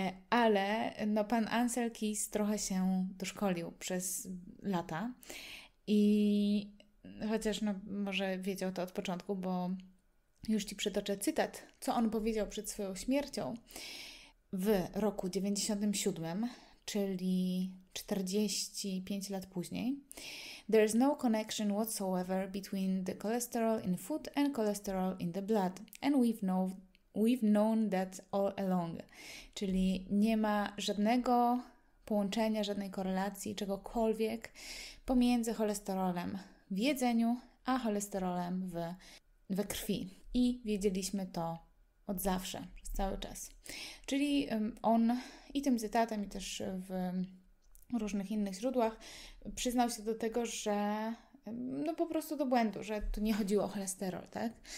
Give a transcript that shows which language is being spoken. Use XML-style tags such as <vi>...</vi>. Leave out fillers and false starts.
<pl>Ale no, pan Ansel Keys trochę się doszkolił przez lata i chociaż no, może wiedział to od początku, bo już Ci przytoczę cytat, co on powiedział przed swoją śmiercią w roku 97, czyli 45 lat później.</pl> <en>There is no connection whatsoever between the cholesterol in food and cholesterol in the blood. And we've known that all along.</en> <pl>Czyli nie ma żadnego połączenia, żadnej korelacji, czegokolwiek pomiędzy cholesterolem w jedzeniu, a cholesterolem we krwi. I wiedzieliśmy to od zawsze, przez cały czas. Czyli on i tym cytatem, i też w różnych innych źródłach przyznał się do tego, że no po prostu do błędu, że tu nie chodziło o cholesterol, tak?</pl>